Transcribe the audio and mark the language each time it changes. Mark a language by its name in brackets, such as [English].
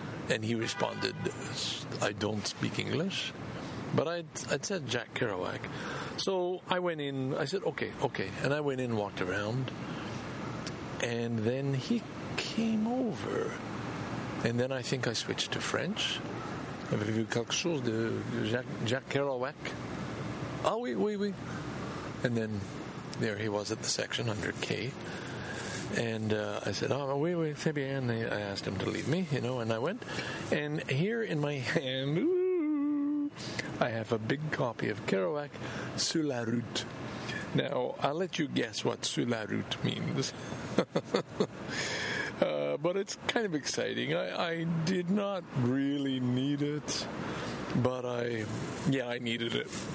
[English] And he responded, I don't speak English. But I'd said Jack Kerouac. So I went in. I said, okay, okay. And I went in and walked around. And then he came over. And then I think I switched to French. [French] Avez-vous quelque chose de Jack Kerouac? Oh, oui, oui, oui. [English] And then there he was at the section under K. And I said, oh, [French] oui, oui, c'est bien. [English] And I asked him to leave me, you know, and I went. And here in my hand, I have a big copy of Kerouac, Sur la Route. Now, I'll let you guess what Sur la Route means. but it's kind of exciting. I did not really need it, but I needed it.